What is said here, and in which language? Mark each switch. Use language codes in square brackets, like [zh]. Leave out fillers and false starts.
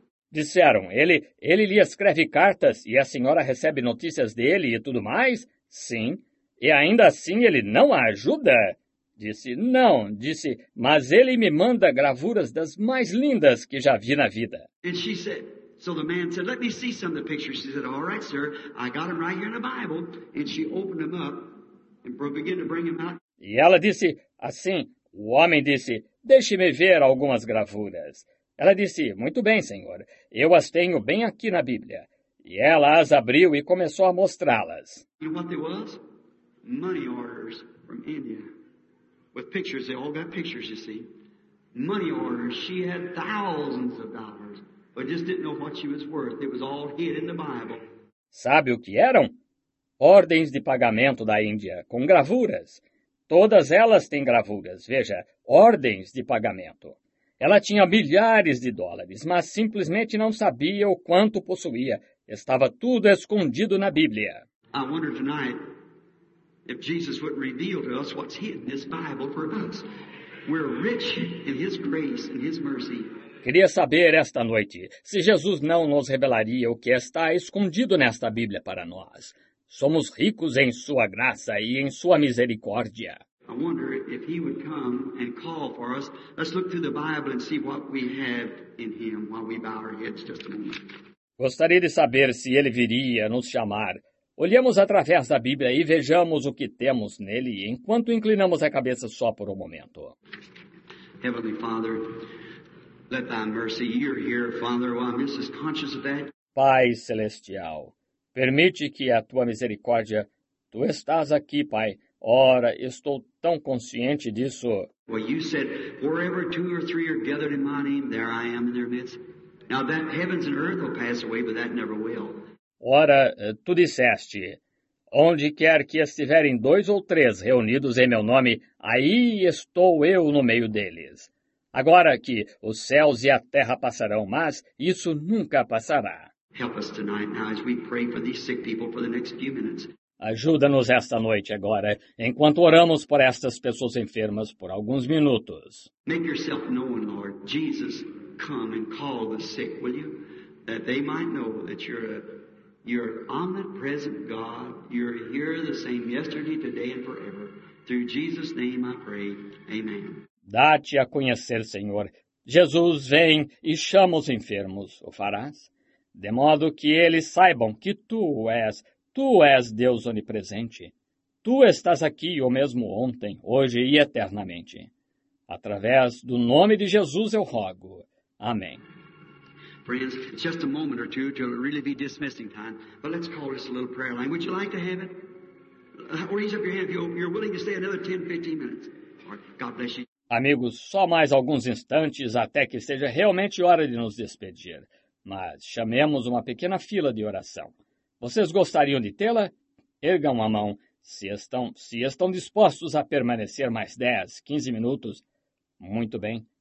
[pt] Disseram, ele lhe escreve cartas e a senhora recebe notícias dele e tudo mais? Sim. E ainda assim ele não a ajuda? Disse, não, disse, mas ele me manda gravuras das mais lindas que já vi na vida. [en] And she said, so the man said, let me see some of the pictures. She said, all right, sir, I got them right here in the Bible. And she opened them up and began to bring them out. [pt] E ela disse assim, o homem disse, deixe-me ver algumas gravuras. Ela disse, muito bem, senhor, eu as tenho bem aqui na Bíblia. E ela as abriu e começou a mostrá-las. [en] You know what there was? Money orders from India. With pictures, they all got pictures, you see. Money orders, she had thousands of dollars. But just didn't know what she was worth. It was all hid in the Bible. [pt] Sabe o que eram? Ordens de pagamento da Índia, com gravuras. Todas elas têm gravuras. Veja, ordens de pagamento. Ela tinha milhares de dólares, mas simplesmente não sabia o quanto possuía. Estava tudo escondido na Bíblia. [en] I wonder tonight if Jesus would reveal to us what's hidden in this Bible for us. We're rich in his grace and his mercy. [pt] Queria saber esta noite se Jesus não nos revelaria o que está escondido nesta Bíblia para nós. Somos ricos em sua graça e em sua misericórdia. [en] I wonder if he would come and call for us. Let's look through the Bible and see what we have in him while we bow our heads just a moment. [pt] Gostaria de saber se ele viria nos chamar. Olhemos através da Bíblia e vejamos o que temos nele enquanto inclinamos a cabeça só por um momento. [en] Heavenly Father, let thy mercy hear here, Father, while Miss is conscious of that. [pt] Pai Celestial, permite que a tua misericórdia, tu estás aqui, Pai. Ora, estou tão consciente disso. [en] Well, you said, wherever two or three are gathered in my name, there I am in their midst. Now that heavens and earth will pass away, but that never will. [pt] Ora, tu disseste, onde quer que estiverem dois ou três reunidos em meu nome, aí estou eu no meio deles. Agora que os céus e a terra passarão, mas isso nunca passará. [en] Help us tonight now as we pray for these sick people for the next few minutes. [pt] Ajuda-nos esta noite agora, enquanto oramos por estas pessoas enfermas por alguns minutos. [en] Make yourself known, Lord. Jesus, come and call the sick, will you? That they might know that you're omnipresent God. You're here the same yesterday, today and forever. Through Jesus' name I pray. Amen. [pt] Dá-te a conhecer, Senhor. Jesus, vem e chama os enfermos. O farás? De modo que eles saibam que Tu és Deus onipresente. Tu estás aqui o mesmo ontem, hoje e eternamente. Através do nome de Jesus eu rogo. Amém. [en] Friends, it's just a moment or two till it really be dismissing time, but let's call this a little prayer line. Would you like to have it? Raise up your hand if you're willing to stay another 10, 15 minutes. God bless you. [pt] Amigos, só mais alguns instantes até que seja realmente hora de nos despedir, mas chamemos uma pequena fila de oração. Vocês gostariam de tê-la? Ergam a mão se estão dispostos a permanecer mais 10, 15 minutos. Muito bem.